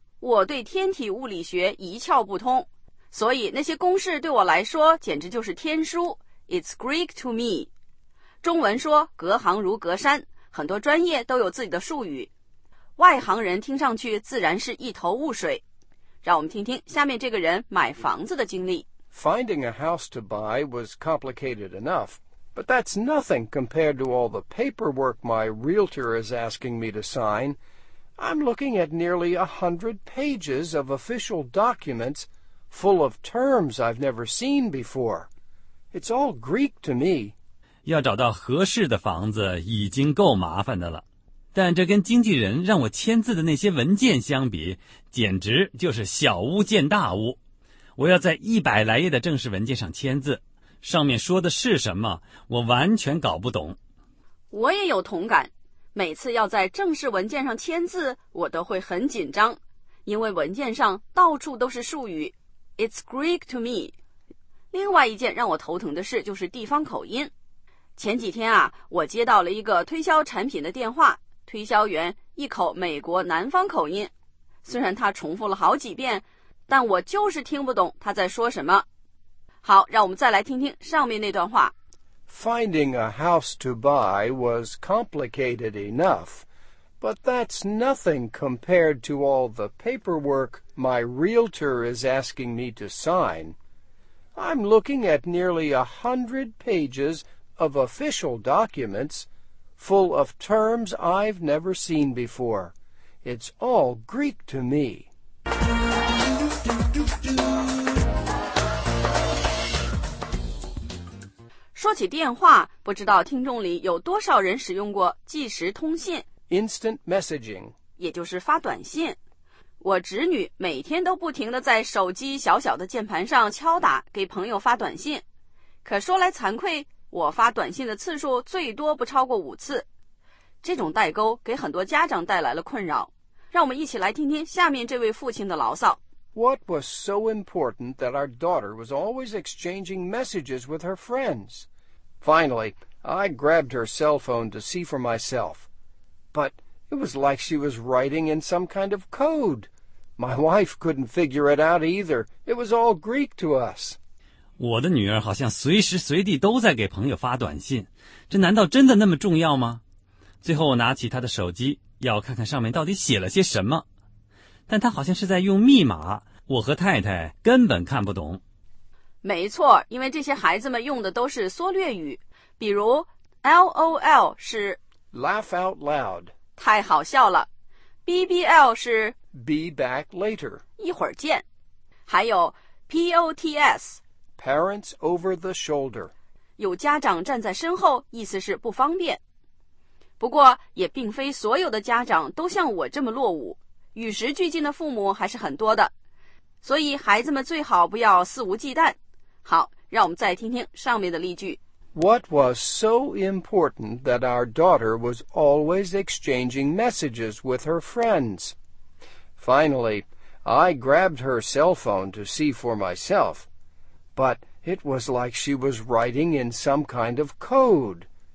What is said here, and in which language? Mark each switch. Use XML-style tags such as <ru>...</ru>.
<zh>我对天体物理学一窍不通。所以那些公式对我来说简直就是天书</zh> <en>It's Greek to me</en> <zh>中文说隔行如隔山很多专业都有自己的术语外行人听上去自然是一头雾水让我们听听下面这个人买房子的经历</zh> <en>Finding a house to buy was complicated enough But that's nothing compared to all the paperwork my realtor is asking me to sign I'm looking at nearly 100 pages of official documentsfull of terms I've never seen before. It's all Greek to me.</en> <zh>要找到合适的房子已经够麻烦的了。但这跟经纪人让我签字的那些文件相比简直就是小巫见大巫。我要在100来页的正式文件上签字上面说的是什么我完全搞不懂。我也有同感。每次要在正式文件上签字，我都会很紧张，因为文件上到处都是术语。</zh> <en>It's Greek to me。</en> <zh>另外一件让我头疼的事就是地方口音。前几天啊，我接到了一个推销产品的电话，推销员一口美国南方口音，虽然他重复了好几遍，但我就是听不懂他在说什么。好，让我们再来听听上面那段话。</zh> <en>Finding a house to buy was complicated enough, but that's nothing compared to all the paperwork my realtor is asking me to sign. I'm looking at nearly 100 pages of official documents full of terms I've never seen before. It's all Greek to me.</en> <zh>说起电话，不知道听众里有多少人使用过即时通信</zh> <en>Instant messaging，</en> <zh>也就是发短信。我侄女每天都不停地在手机小小的键盘上敲打给朋友发短信，可说来惭愧，我发短信的次数最多不超过五次。这种代沟给很多家长带来了困扰，让我们一起来听听下面这位父亲的牢骚。</zh> <en>What was so important that our daughter was always exchanging messages with her friends? Finally, I grabbed her cell phone to see for myself. But it was like she was writing in some kind of code. My wife couldn't figure it out either. It was all Greek to us.</en> <zh>我的女儿好像随时随地都在给朋友发短信。这难道真的那么重要吗？最后我拿起她的手机，要看看上面到底写了些什么。但他好像是在用密码，我和太太根本看不懂。没错，因为这些孩子们用的都是缩略语，比如 LOL 是</zh> <en>Laugh out loud，</en> <zh>太好笑了。BBL 是</zh> <en>Be back later，</en> <zh>一会儿见。还有 POTS，</zh> <en>Parents over the shoulder，</en> <zh>有家长站在身后，意思是不方便。不过也并非所有的家长都像我这么落伍，与时俱进的父母还是很多的，所以孩子们最好不要肆无忌惮。好，让我们再听听上面的例句。</zh> <en>What was so important that our daughter was always exchanging messages with her friends? Finally, I grabbed her cell phone to see for myself, but it was like she was writing in some kind of code.</en>